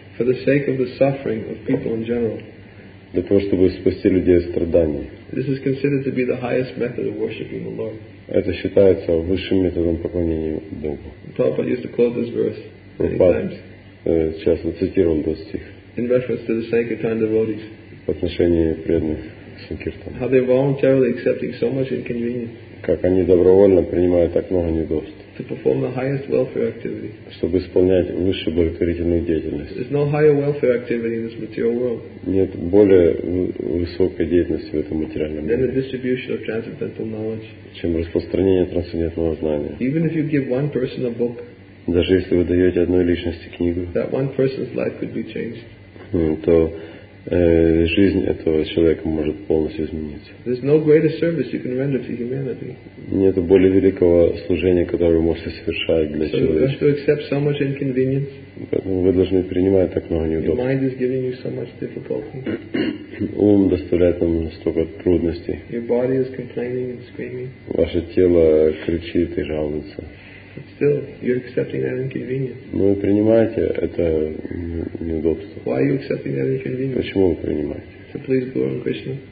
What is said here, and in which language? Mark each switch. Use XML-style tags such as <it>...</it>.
<en>For the sake of the suffering of people in general.</en> <ru>Для того, чтобы спасти людей от страданий.</ru> <en>This is considered to be the highest method of worshiping the Lord.</en> <ru>Это считается высшим методом поклонения Богу.</ru> <en>Prabhupada used to quote this verse many times.</en> <ru>Часто цитировал этот стих.</ru> <en>In reference to the sankirtan devotees.</en> <ru>В отношении преданных санкиртан.</ru> <en>How they're voluntarily accepting so much inconvenience.</en> <ru>Как они добровольно принимают так много неудобств.</ru> <en>To perform the highest welfare activity.</en> <ru>Чтобы исполнять высшую благотворительную деятельность.</ru> <en>There's no higher welfare activity in this material world.</en> <ru>Нет более высокой деятельности в этом материальном мире.</ru> <en>Than the distribution of transcendental knowledge.</en> <ru>Чем распространение трансцендентного знания.</ru> <en>Even if you give one person a book.</en> <ru>Даже если вы даете одной личности книгу.</ru> <en>That one person's life could be changed.</en> <ru>То жизнь этого человека может полностью измениться.</ru> <en>There's no greater service you can render to humanity.</en> <ru>Нет более великого служения, которое вы можете совершать для человека.</ru> <en>So you have to accept so much inconvenience.</en> <ru>Поэтому вы должны принимать так много неудобств.</ru> <en>Your mind is giving you so much difficulty.</en> <ru>Ум доставляет вам столько трудностей.</ru> <en>Your body is complaining and screaming.</en> <ru>Ваше тело кричит и жалуется.</ru> <en>But still, you're accepting that inconvenience.</en> <ru>Но вы принимаете это неудобство.</ru> <en>Why are you accepting that inconvenience?</en> <ru>Почему вы принимаете?</ru> <en>To please Guru and Krishna.</en>